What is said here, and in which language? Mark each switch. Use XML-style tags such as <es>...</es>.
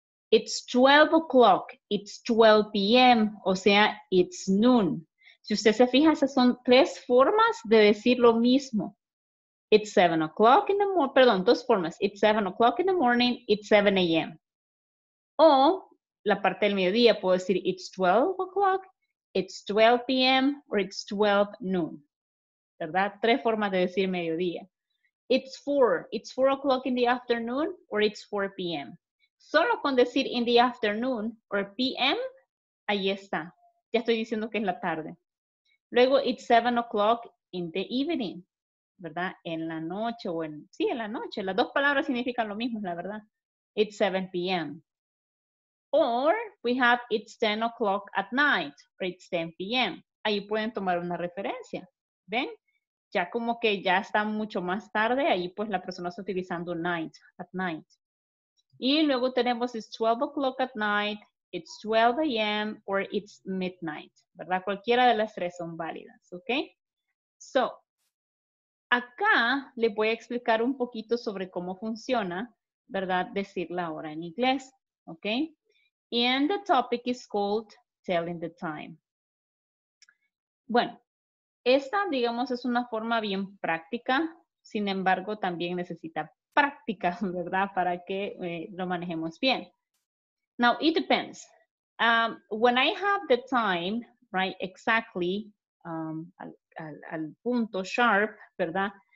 <en>It's 12 o'clock, it's 12 p.m., o sea, it's noon.</en> <es>Si usted se fija, esas son tres formas de decir lo mismo.</es> <en>It's 7 o'clock in the morning.</en> <es>Perdón, dos formas.</es> <en>It's 7 o'clock in the morning. It's 7 a.m.</en> <es>O la parte del mediodía puedo decir</es> <en>it's 12 o'clock, it's 12 p.m. or it's 12 noon.</en> <es>¿Verdad? Tres formas de decir mediodía.</es> <en>It's 4. It's 4 o'clock in the afternoon or it's 4 p.m.</en> <es>Solo con decir</es> <en>in the afternoon or p.m.,</en> <es>ahí está. Ya estoy diciendo que es la tarde. Luego,</es> <en>it's 7 o'clock in the evening,</en> <es>¿verdad? En la noche o en, sí, en la noche. Las dos palabras significan lo mismo, la verdad.</es> <en>It's 7 p.m. Or we have it's 10 o'clock at night, or it's 10 p.m.</en> <es>Ahí pueden tomar una referencia. ¿Ven? Ya como que ya está mucho más tarde, ahí pues la persona está utilizando night, at night. Y luego tenemos</es> <en>it's 12 o'clock at night, it's 12 a.m. or it's midnight,</en> <es>¿verdad? Cualquiera de las tres son válidas, ¿ok? So, acá les voy a explicar un poquito sobre cómo funciona, ¿verdad? Decir la hora en inglés, ¿ok?</es> <en>And the topic is called telling the time.</en> <es>Bueno, esta, digamos, es una forma bien práctica, sin embargo, también necesita práctica, ¿verdad? Para que lo manejemos bien.</es> <en>Now, it depends. When I have the time, right, exactly,</en> <es>al punto</es> <en>sharp, ¿verdad?</en>